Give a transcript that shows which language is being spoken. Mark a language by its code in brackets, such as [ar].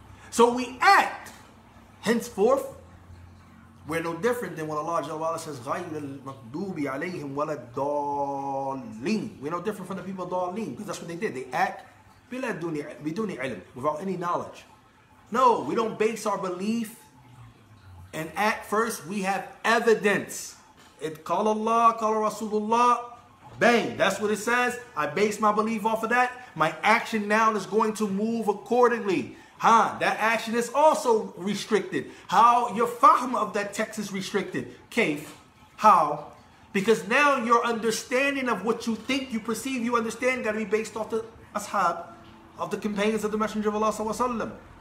[en] So we act. Henceforth, we're no different than what Allah Jalla Wa'ala says, [ar] غَيْرِ الْمَقْدُوبِ عَلَيْهِمْ وَلَا الضَّالِّينَ. [en] We're no different from the people of Dalin, because that's what they did. They act [ar] بِدُونِ عِلْمٍ, [en] without any knowledge. No, we don't base our belief and act first. We have evidence. It [ar] قال الله, قال رسول الله. [en] Bang, that's what it says. I base my belief off of that. My action now is going to move accordingly. Huh, that action is also restricted. How? Your fahm of that text is restricted. Kaif. How? Because now your understanding of what you think, you perceive, you understand, gotta be based off the ashab, of the companions of the Messenger of Allah sallallahu alaihi wasallam.